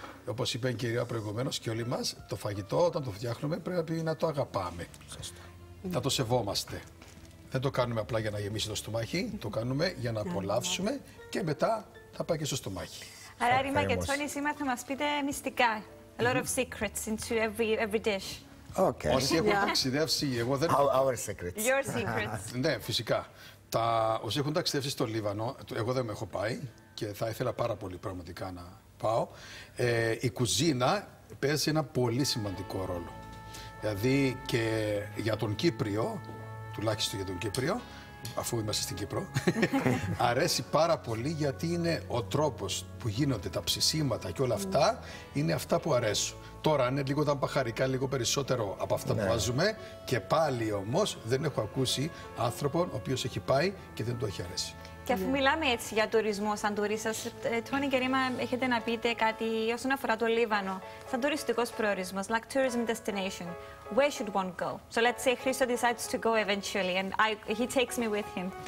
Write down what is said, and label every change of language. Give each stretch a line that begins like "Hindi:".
Greek: Όπως είπε η κυρία προηγουμένως και όλοι μας, το φαγητό όταν το φτιάχνουμε πρέπει να το αγαπάμε. Να το σεβόμαστε. Δεν το κάνουμε απλά για να γεμίσει το στομάχι, το κάνουμε για να απολαύσουμε και μετά θα πάει και στο στομάχι. Άρα Ρήμα και Τόνι, σήμερα θα μας πείτε μυστικά.
English: A lot of secrets into every dish. Okay.
Greek: Όσοι έχουν ταξιδεύσει, εγώ δεν...
English: Our secrets. Your secrets.
Greek: Ναι, φυσικά. Όσοι έχουν ταξιδεύσει στο Λίβανο, εγώ δεν με έχω πάει και θα ήθελα πάρα πολύ πραγματικά να πάω, η κουζίνα παίζει ένα πολύ σημαντικό ρόλο. Δηλαδή και για τον Κύπριο, τουλάχιστον για τον Κύπριο, αφού είμαστε στην Κύπρο, αρέσει πάρα πολύ γιατί είναι ο τρόπος που γίνονται τα ψησίματα και όλα αυτά, είναι αυτά που αρέσουν. Τώρα είναι λίγο τα μπαχαρικά, λίγο περισσότερο από αυτά που βάζουμε και πάλι όμως δεν έχω ακούσει άνθρωπον ο οποίος έχει πάει και δεν το έχει αρέσει. Και αφού μιλάμε έτσι για τουρισμό, σαν τουρίστας, Τόνι και Ρήμα, έχετε να πείτε κάτι όσον αφορά το Λίβανο. Σαν τουριστικός προορισμός,
English: like tourism destination, where should one go? So let's say Christo decides to go eventually and he takes me with him.